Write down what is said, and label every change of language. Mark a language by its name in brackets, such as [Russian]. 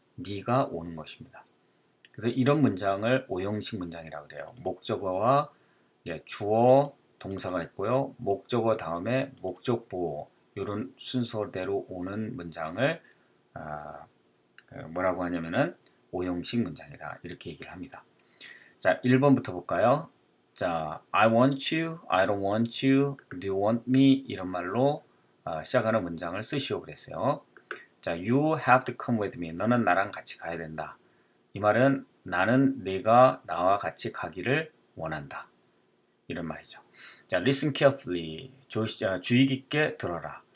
[Korean] 네가 오는 것입니다. 그래서 이런 문장을 오형식 문장이라고 그래요. 목적어와 예, 주어, 동사가 있고요. 목적어 다음에 목적보 이런 순서대로 오는 문장을 뭐라고 하냐면은 오형식 문장이다 이렇게 얘기를 합니다. 자, 1번부터 볼까요? [English] 자, I want you, I don't want you, do you want me? [Korean] 이런 말로 시작하는 문장을 쓰시오 그랬어요. [English] 자, you have to come with me. [Korean] 너는 나랑 같이 가야 된다. 이 말은 나는 네가 나와 같이 가기를 원한다. 이런 말이죠. 자, [English] listen carefully. [Korean] 주의 깊게 들어라.